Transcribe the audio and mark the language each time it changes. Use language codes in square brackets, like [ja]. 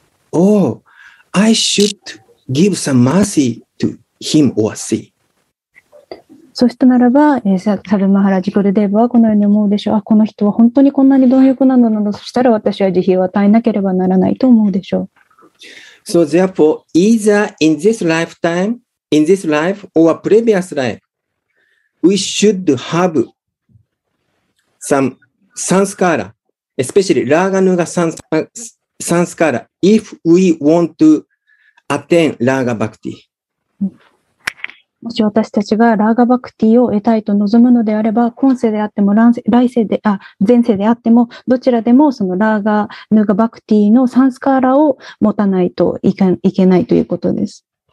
[en] Oh, I should give some mercy to him or she. [ja] そしてならば、サルマハラジ・グルデーブはこのように思うでしょう。あ、この人は本当にこんなに貪欲なのなの。そしたら私は慈悲を与えなければならないと思うでしょう。 [en] So therefore, either in this lifetime, in this life, or previous life, we should haveSome sanskara, especially Raga Nuga sanskara, if we want to attain Raga Bhakti. [ja] もし私たちがラーガバクティを得たいと望むのであれば、今世であっても来世で、あ、前世であっても、どちらでもそのラーガヌガバクティのサンスカーラを持たないといけないということです。